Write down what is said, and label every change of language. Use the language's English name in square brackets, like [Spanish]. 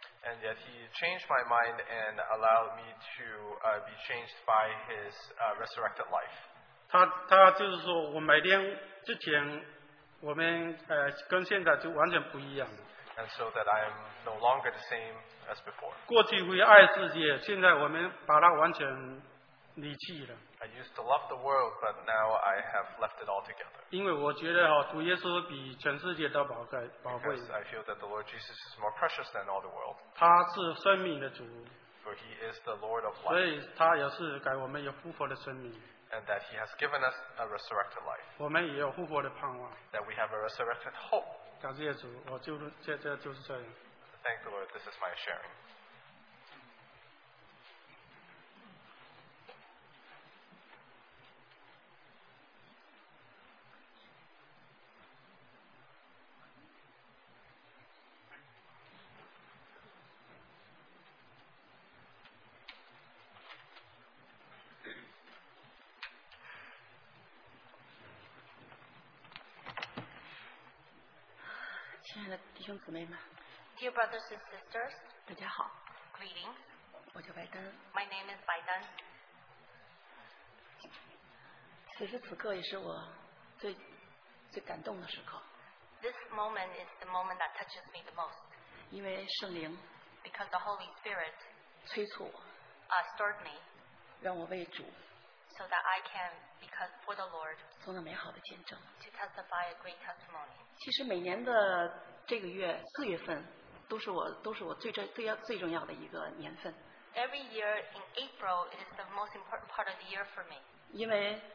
[English] And yet he changed my mind and allowed me to be changed by his resurrected life. [Chinese] 他就是说我每天之前我们跟现在就完全不一样。 [English] And so that I am no longer the same as before. [Chinese] 过去会爱世界，现在我们把它完全离弃了。 [English] I used to love the world, but now I have left it altogether. [Chinese] 因为我觉得主耶稣比全世界都宝贵。 [English] Because I feel that the Lord Jesus is more precious than all the world. [Chinese] 他是生命的主。 [English] For he is the Lord of life. [Chinese] 所以他也是给我们有复活的生命。 [English] And that he has given us a resurrected life. That we have a resurrected hope. [Chinese] 感谢主，我就这就是这样。 [English] Thank the Lord, this is my sharing. Dear brothers and sisters, [Chinese] 大家好, [English] greetings. [Chinese] 我叫拜登, [English] my name is Biden. [Chinese] 此时此刻也是我最感动的时刻, [English] this moment is the moment that touches me the most. [Chinese] 因为圣灵, [English] because the Holy Spirit [Chinese] 催促我, [English] stirred me [Chinese] 让我为主, [English] so that I can, because for the Lord, [Chinese] 做那美好的见证, [English] to testify a great testimony. [Chinese] 其实每年的 这个月四月份都是我最重要的一个年份。 [English] Every year in April is the most important part of the year for me.